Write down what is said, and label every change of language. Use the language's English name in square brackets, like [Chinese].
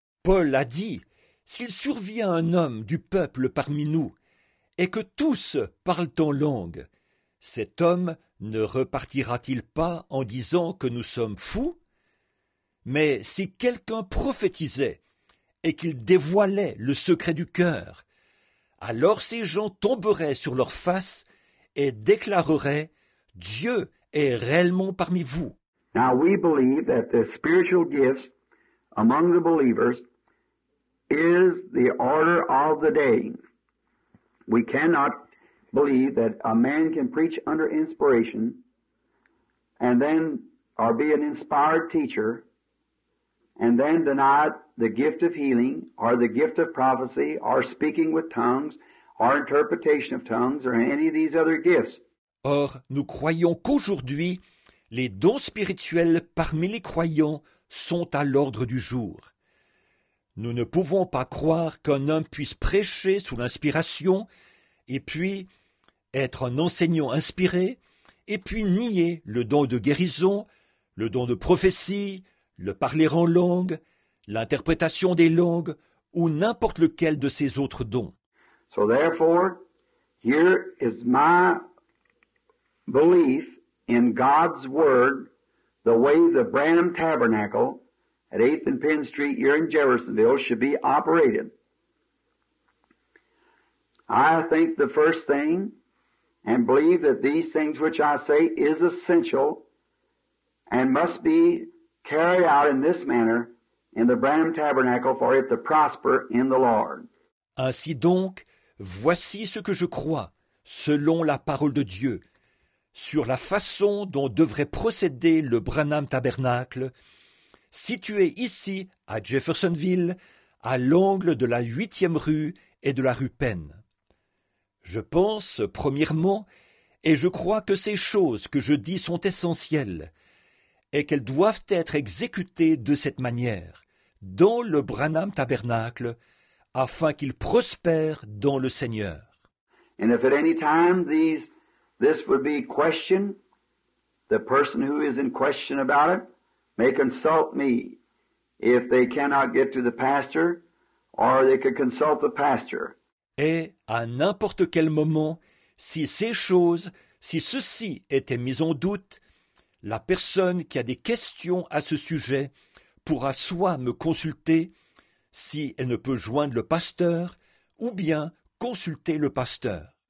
[French] Paul a dit, s'il survient un homme du peuple parmi nous, et que tous parlent en langue, cet homme ne repartira-t-il pas en disant que nous sommes fous? Mais si quelqu'un prophétisait et qu'il dévoilait le secret du cœur, alors ces gens tomberaient sur leur face et déclareraient, Dieu est réellement parmi vous. [English] Now we believe that the spiritual gifts among the believers is the order of the day. We cannot believe that a man can preach under inspiration and then or be an inspired teacher and then deny the gift of healing or the gift of prophecy or speaking with tongues or interpretation of tongues or any of these other gifts. [French] Or, nous croyons qu'aujourd'hui, les dons spirituels parmi les croyants sont à l'ordre du jour. Nous ne pouvons pas croire qu'un homme puisse prêcher sous l'inspiration et puis être un enseignant inspiré et puis nier le don de guérison, le don de prophétie, le parler en langue, l'interprétation des langues ou n'importe lequel de ces autres dons. [English] So therefore, here is my belief in God's word, the way the Branham Tabernacle at 8th and Penn Street here in Jeffersonville should be operated. I think the first thing, and believe that these things which I say is essential and must be carried out in this manner in the Branham Tabernacle for it to prosper in the Lord. [French] Ainsi donc, voici ce que je crois, selon la parole de Dieu, sur la façon dont devrait procéder le Branham Tabernacle, situé ici, à Jeffersonville, à l'angle de la 8e rue et de la rue Penn. Je pense, premièrement, et je crois que ces choses que je dis sont essentielles, et qu'elles doivent être exécutées de cette manière, dans le Branham Tabernacle, afin qu'il prospère dans le Seigneur. [English] And if at any time this would be questioned, the person who is in question about it may consult me. If they cannot get to the pastor, or they could consult the pastor. [French] Et à n'importe quel moment, si ces choses, si ceci était mis en doute, la personne qui a des questions à ce sujet pourra soit me consulter, si elle ne peut joindre le pasteur, ou bien consulter le pasteur.